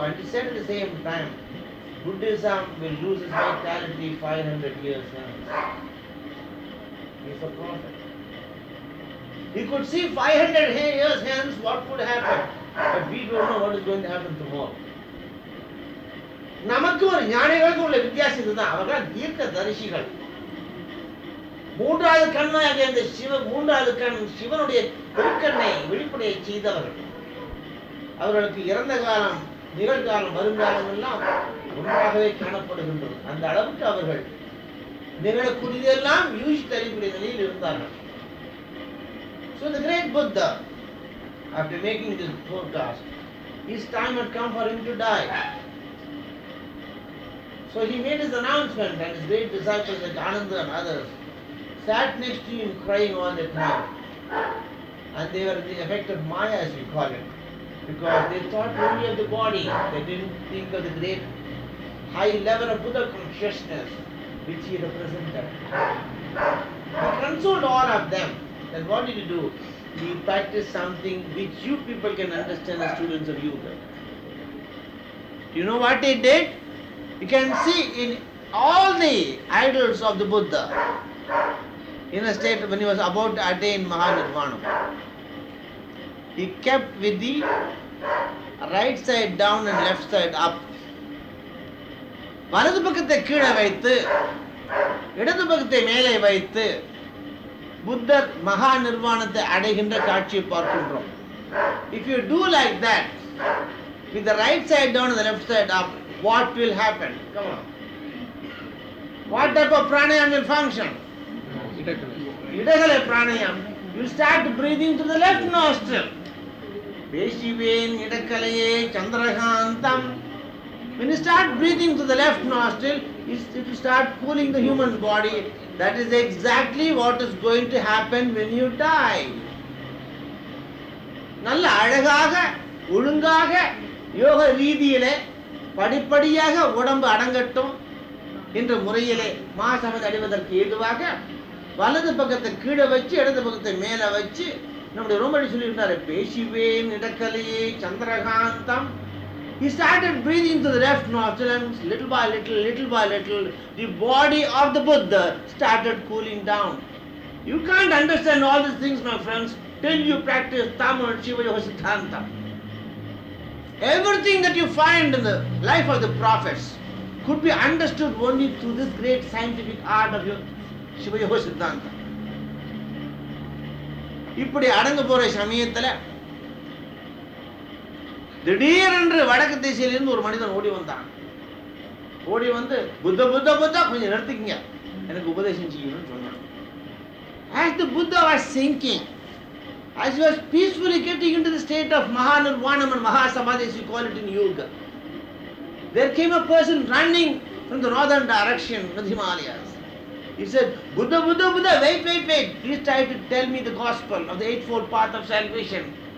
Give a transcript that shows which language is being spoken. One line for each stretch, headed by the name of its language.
English: And he said at the same time, Buddhism will lose its vitality 500 years hence. He's a prophet. He could see 500 years hence what could happen, but we don't know what is going to happen tomorrow.
Tamil: நமக்கு ஒரு ஞானிகளுக்கும் உள்ள வித்தியாசம் இதுதான். அவர்கள் தீர்க்க தரிசிகள். மூன்றாவது கண்ணாக இந்த சிவ மூன்றாவது கண் சிவனுடைய திருக்கண்ணை வெளிப்படையை செய்தவர்கள். அவர்களுக்கு இறந்த காலம் நிகழ்காலம் வருங்காலம் எல்லாம் ஒன்றாகவே காணப்படுகின்றது. அந்த அளவுக்கு அவர்கள் நிகழக்கூடியதெல்லாம் யூகித்து அறியக்கூடிய நிலையில் இருந்தார்கள்.
English: So the great Buddha, after making this forecast, his time had come for him to die. So he made his announcement, and his great disciples like Ananda and others sat next to him crying all the time. And they were the effect of Maya, as we call it, because they thought only of the body. They didn't think of the great high level of Buddha consciousness which he represented. He consoled all of them. Then what did you do? You practice something which you people can understand as students of yoga. Do you know what they did? You can see in all the idols of the Buddha, in a state when he was about to attain Mahanirvana, he kept with the right side down and left side up.
Tamil: வலது பக்கத்தை கீழே வைத்து இடது பக்கத்தை மேலே வைத்து புத்தர் மகா நிர்வாணத்தை அடைகின்ற காட்சியை பார்க்கின்றோம்.
English: If you do like that, with the right side down and the left side up, what will happen? Come on. What type of pranayam will function? Idagala pranayam. You start breathing through the left nostril.
Tamil: Veshivayin idakalaye chandrakantam.
English: When you start breathing through the left nostril, it will start cooling the human body. That is exactly what is going to happen when you die.
Tamil: நல்ல அழகாக ஒழுங்காக யோக ரீதியிலே படிப்படியாக உடம்பு அடங்கட்டும் என்ற முறையிலே மாசமதி அடைவதற்கு ஏதுவாக வலது பக்கத்தை கீழே வச்சு இடது பக்கத்தை மேலே வச்சு நம்முடைய ரோமடி சொல்லியிருந்தார், பேசிவேன் நிடக்கலையே Chandrakantham.
English: He started breathing through the left nostril, and little by little, the body of the Buddha started cooling down. You can't understand all these things, my friends, till you practice Tamil Shiva Yoga Siddhanta. Everything that you find in the life of the prophets could be understood only through this great scientific art of Shiva Yoga Siddhanta.
Tamil: இப்படி அடங்க போற சமயத்தில் திடீரென்று வடக்கு திசையிலிருந்து ஒரு மனிதன் ஓடி வந்தான். ஓடி வந்து புத்தா கொஞ்சம் நிறுத்திக்கிங்க, எனக்கு உபதேசம் செய்யணும்னு சொன்னான்.
English: As the Buddha was sinking, as he was peacefully getting into the state of Mahanirvana and Mahasamadhi, as we call it in yoga, there came a person running from the northern direction of the Himalayas. He said, Buddha, wait, please try to tell me the gospel of the Eightfold Path of Salvation.